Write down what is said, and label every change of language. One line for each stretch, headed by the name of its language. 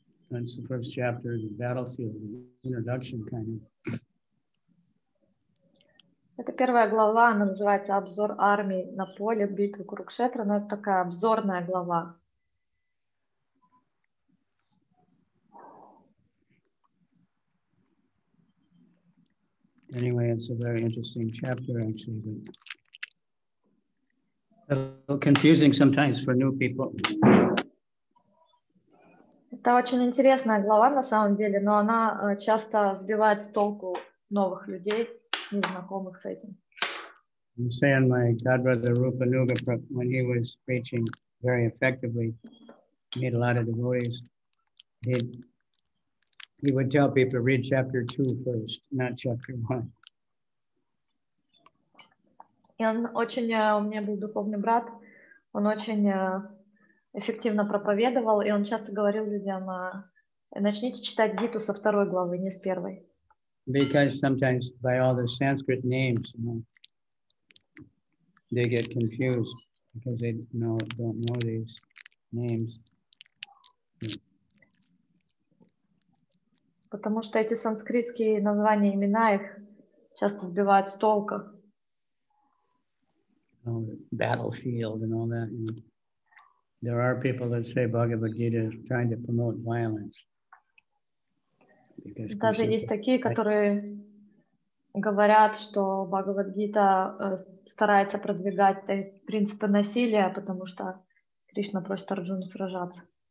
English: That's the first chapter of the Battlefield, the introduction kind of.
Russian: Это первая глава, она называется «Обзор армии на поле битвы Курукшетра», но это такая обзорная глава.
English: Anyway, it's a very interesting chapter, actually, but a little confusing sometimes for new people.
Russian: Это очень интересная глава на самом деле, но она часто сбивает с толку новых людей, незнакомых с этим.
English: I'm saying my godbrother Rupa Nuga, when he was preaching very effectively, made a lot of devotees. He would tell people read chapter 2 first, not chapter 1.
Russian: И он очень, у меня был духовный брат, он очень эффективно проповедовал, и он часто говорил людям, начните читать Гиту со второй главы, не с первой.
English: Because sometimes by all the Sanskrit names, you know, they get confused because they don't know these names.
Russian: Потому что эти санскритские названия, имена их часто сбивают с толка.
English: Battlefield and all that. And there are people that say Bhagavad Gita is trying to promote violence.
Russian: Даже есть такие, которые говорят, что Бхагавад-гита старается продвигать принципы насилия, потому что Кришна просит Арджуну сражаться.